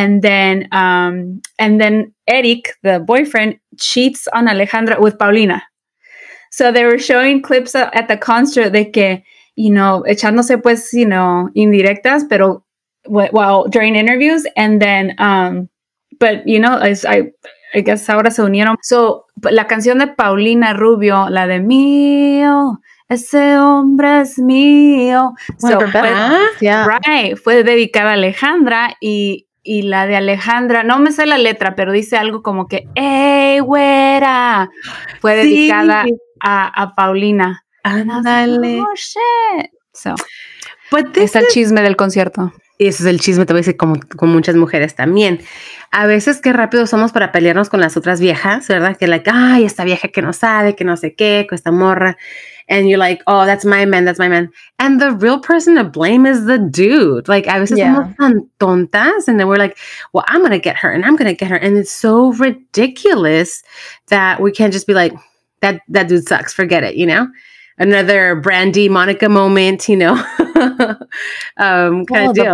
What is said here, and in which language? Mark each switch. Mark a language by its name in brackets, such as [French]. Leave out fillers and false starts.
[English] And then Eric, the boyfriend, cheats on Alejandra with Paulina. So they were showing clips at the concert [Spanish] de que, [English] you know, [Spanish] echándose pues, [English] you know, [Spanish] indirectas, pero [English] during interviews. And then, but you know, I guess [Spanish] ahora se unieron. So la canción de Paulina Rubio, la de mío, ese hombre es mío. [English] So yeah. Right, [Spanish] fue dedicada a Alejandra y la de Alejandra, no me sé la letra, pero dice algo como que, ¡ey, güera! Fue dedicada a Paulina. ¡Ándale! [English] ¡Oh, shit! So, [Spanish] es el chisme del concierto. Y ese es el chisme, te voy a decir, con muchas mujeres también. A veces, qué rápido somos para pelearnos con las otras viejas, ¿verdad? Que, [English] like, [Spanish] ¡ay, esta vieja que no sabe, que no sé qué, con esta morra! [English] And you're like, oh, that's my man. And the real person to blame is the dude. Like, I was just [Spanish] tan tontas. [English] And then we're like, well, I'm going to get her. And it's so ridiculous that we can't just be like, that dude sucks. Forget it, you know? Another Brandy Monica moment, you know? kind of deal.